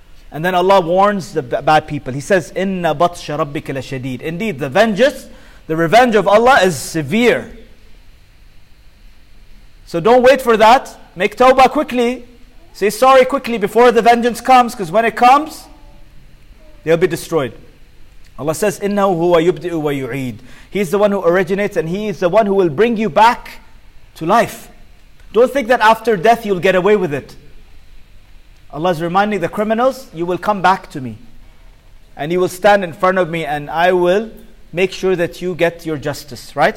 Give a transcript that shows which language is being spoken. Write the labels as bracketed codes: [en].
[en] And then Allah warns the bad people. He says, [ar] "Inna batsha rabbika lashadid." [en] Indeed, the revenge of Allah is severe. So don't wait for that. Make tawbah quickly. Say sorry quickly before the vengeance comes. Because when it comes, they'll be destroyed. Allah says, [ar] إِنَّهُ هُوَ يُبْدِئُ وَيُعِيدُ. [en] He's the one who originates and He is the one who will bring you back to life. Don't think that after death you'll get away with it. Allah is reminding the criminals, you will come back to me. And you will stand in front of me and I will make sure that you get your justice. Right?